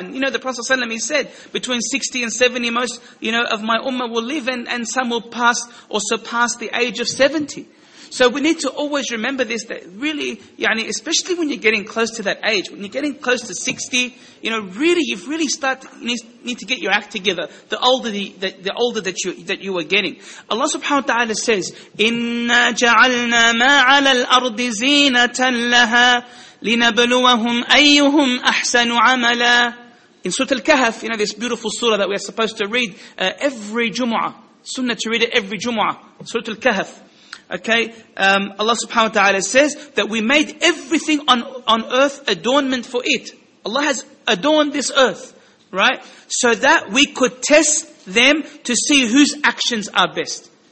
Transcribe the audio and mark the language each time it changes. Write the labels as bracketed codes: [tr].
[en] And you know, the Prophet ﷺ, he said, between 60 and 70 most, you know, of my ummah will live, and some will pass or surpass the age of 70. So we need to always remember this, that really, yani, especially when you're getting close to that age, when you're getting close to 60, you know, really, you need to get your act together, the older that you are getting. Allah subhanahu wa ta'ala says, [ar] إِنَّا جَعَلْنَا مَا عَلَى الْأَرْضِ زِينَةً لَهَا لِنَبْلُوَهُمْ أَيُّهُمْ أَحْسَنُ عَمَلًا. [en] In Surah Al-Kahf, you know, this beautiful surah that we are supposed to read every Jumu'ah, sunnah to read it every Jumu'ah, Surah Al-Kahf. Okay, Allah subhanahu wa ta'ala says that we made everything on earth adornment for it. Allah has adorned this earth, right? So that we could test them to see whose actions are best.